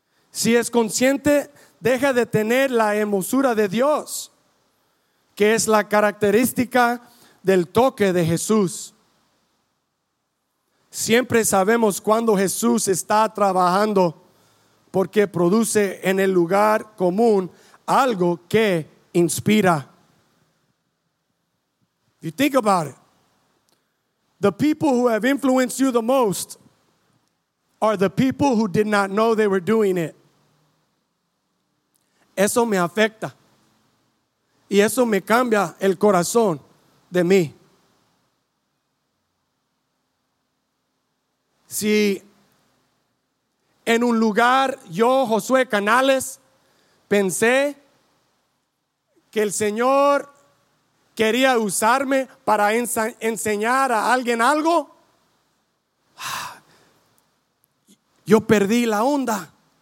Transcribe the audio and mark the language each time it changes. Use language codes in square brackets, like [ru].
[es] Si es consciente, deja de tener la hermosura de Dios, que es la característica del toque de Jesús. Siempre sabemos cuando Jesús está trabajando, porque produce en el lugar común algo que inspira. [en] If you think about it, the people who have influenced you the most are the people who did not know they were doing it. [es] Eso me afecta. Y eso me cambia el corazón de mí. Si en un lugar yo, Josué Canales, pensé que el Señor quería usarme para enseñar a alguien algo, yo perdí la onda.